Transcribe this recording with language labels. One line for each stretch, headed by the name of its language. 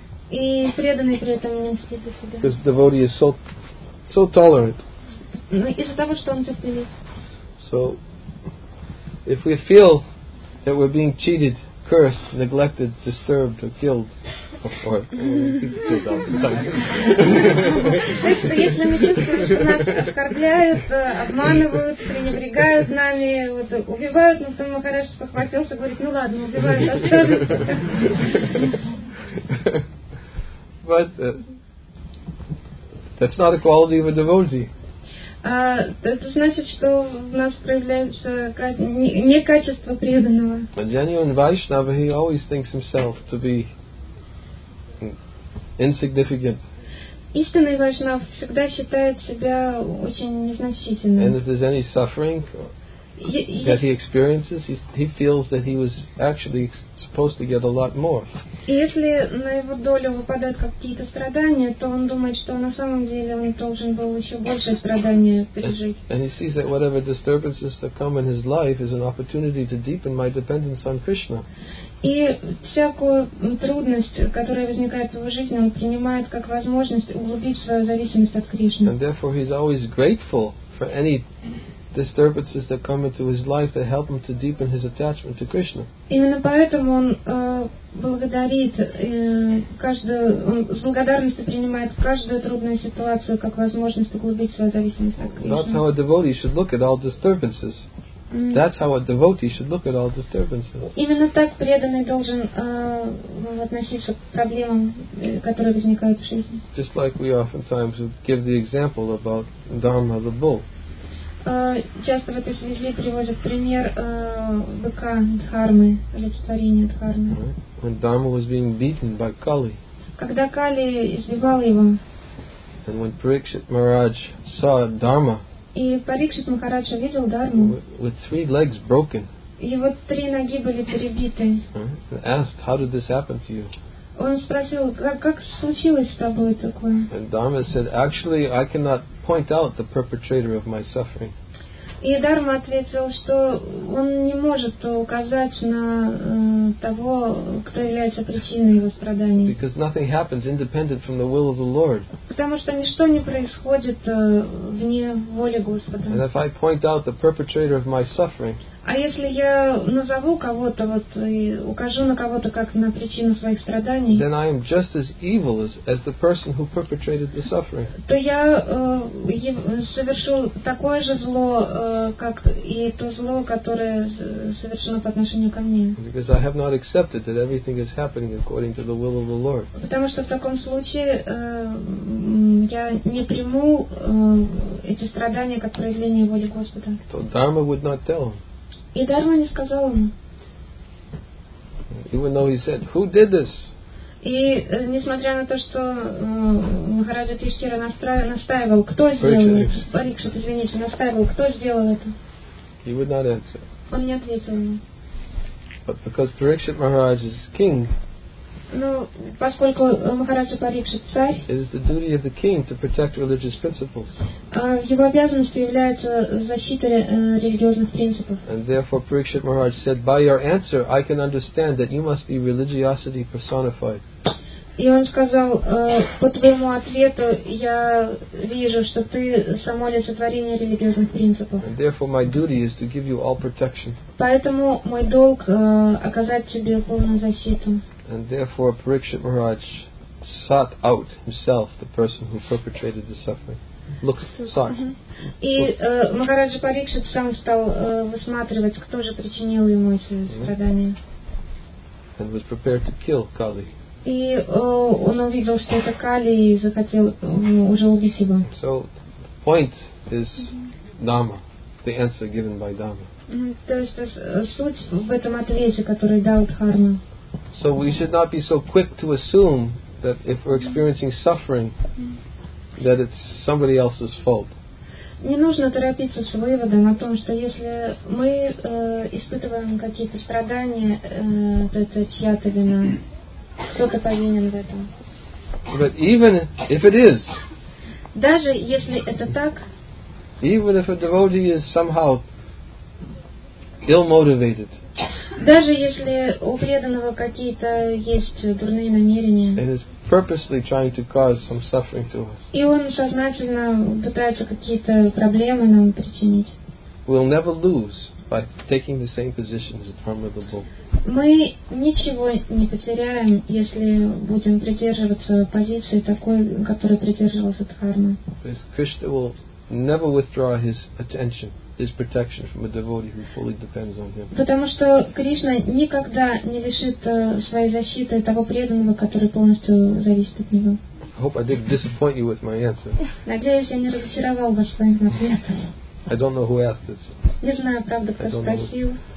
Russian: И преданный при этом не мстит за себя.
English: Because the devotee is so tolerant.
Russian: Но из-за того, что он терпелив.
English: So, if we feel that we're being cheated, cursed, neglected, disturbed, or killed, or
Russian: если мы чувствуем, что нас оскорбляют, обманывают, пренебрегают нами, вот убивают, но там Махарадж похватился, говорит, ну ладно, убивают, оставим.
English: But that's not a quality of a devotee.
Russian: Это значит, что в нас проявляется не качество преданного.
English: A genuine Vaishnava, he always thinks himself to be insignificant.
Russian: Истинный Вайшнав всегда считает себя очень незначительным.
English: And if there's any suffering that he experiences, he feels that he was actually supposed to get a lot more.
Russian: И если на его долю выпадают какие-то страдания, то он думает, что на самом деле он должен был еще больше страдания пережить.
English: And he sees that whatever disturbances that come in his life is an opportunity to deepen my dependence on Krishna.
Russian: И всякую трудность, которая возникает в его жизни, он принимает как возможность углубить свою зависимость от Кришны.
English: And therefore he's always grateful for any disturbances that come into his life that help him to deepen his attachment to Krishna.
Russian: Именно поэтому он благодарит каждую, он с благодарностью принимает каждую трудную ситуацию как возможность углубить свою зависимость от Кришны.
English: That's how a devotee should look at all disturbances. That's how a devotee should look at all disturbances.
Russian: Именно так преданный должен относиться к проблемам, которые возникают в жизни.
English: Just like we oftentimes give the example about Dharma the bull.
Russian: Часто в этой связи приводят пример быка Дхармы, олицетворения Дхармы.
English: When Dharma was being beaten by Kali.
Russian: Когда Кали избивал его.
English: And when Parikshit Maharaj saw Dharma.
Russian: И Парикшит Махарадж увидел Дарму.
English: With three legs broken.
Russian: Его три ноги были перебиты.
English: And asked, how did this happen to you?
Russian: Он спросил, как случилось с тобой такое?
English: And Dharma said, actually, I cannot point out the perpetrator of my suffering.
Russian: И Дарма ответил, что он не может указать на того, кто является причиной его страданий.
English: Because nothing happens independent from the will of the Lord.
Russian: Потому что ничто не происходит вне воли Господа.
English: And if I point out the perpetrator of my suffering.
Russian: А если я назову кого-то вот и укажу на кого-то как на причину своих страданий,
English: then I am just as evil as the person who perpetrated the suffering.
Russian: То я совершу такое же зло, как и то зло, которое совершено по отношению ко мне.
English: Because I have not accepted that everything is happening according to the will of the Lord.
Russian: Потому что в таком случае я не приму эти страдания как проявление воли Господа.
English: So Dharma would not tell him.
Russian: И Дарма не сказал ему.
English: Even though he said, who did this?
Russian: И несмотря на то, что Махараджа Тиштира настаивал, кто сделал это? Парикшит, извините, настаивал, кто сделал это?
English: He would not answer.
Russian: Он не ответил ему.
English: But because Parikshit Maharaj is king,
Russian: Ну, поскольку Махараджа Парикшит царь,
English: it is the duty of the king to protect religious principles.
Russian: Его обязанностью является защита религиозных принципов.
English: And therefore Parikshit Maharaj said, by your answer, I can understand that you must be religiosity personified.
Russian: И он сказал, по твоему ответу я вижу, что ты само олицетворение религиозных принципов.
English: And therefore my duty is to give you all protection.
Russian: Поэтому мой долг оказать тебе полную защиту.
English: And therefore Parikshit Maharaj sought out himself the person who perpetrated the suffering.
Russian: И Махараджа Парикшит сам стал высматривать, кто же причинил ему эти страдания.
English: And was prepared to kill Kali.
Russian: И он увидел, что это Кали, и захотел уже убить его.
English: So the point is Dhamma, the answer given by Dhamma.
Russian: То есть суть в этом ответе, который дал Дхарма.
English: So we should not be so quick to assume that if we're experiencing suffering, that it's somebody else's fault.
Russian: Не нужно торопиться с выводом о том, что если мы испытываем какие-то страдания, то это чья-то вина, кто-то повинен в этом.
English: But even if it is,
Russian: даже если это так,
English: even if a devotee is somehow ill-motivated,
Russian: даже если у преданного какие-то есть дурные намерения,
English: it is purposely trying to cause some suffering to us.
Russian: И он сознательно пытается какие-то проблемы нам причинить.
English: We'll never lose by taking the same position as the Honorable Pope.
Russian: Мы ничего не потеряем, если будем придерживаться позиции такой, которой придерживался Дхарма.
English: Because Krishna will never withdraw his attention. His protection from a devotee who fully depends on him.
Russian: Потому что Кришна никогда не лишит своей защиты того преданного, который полностью зависит от него.
English: I hope I didn't disappoint you with my answer.
Russian: Надеюсь, я не разочаровал вас своим ответом.
English: I don't know who asked this.
Russian: Не знаю, правда, кто спросил.